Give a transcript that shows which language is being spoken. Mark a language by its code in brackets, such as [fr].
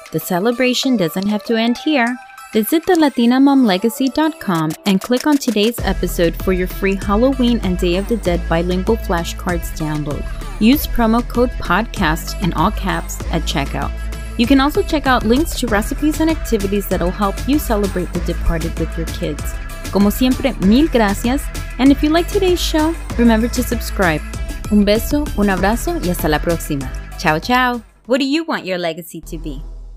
[en] The celebration doesn't have to end here. Visit thelatinamomlegacy.com and click on today's episode for your free Halloween and Day of the Dead bilingual flashcards download. Use promo code PODCAST in all caps at checkout. You can also check out links to recipes and activities that'll help you celebrate the departed with your kids. [es] Como siempre, mil gracias. [en] And if you like today's show, remember to subscribe. [es] Un beso, un abrazo, y hasta la próxima. Chao, chao. [en] What do you want your legacy to be?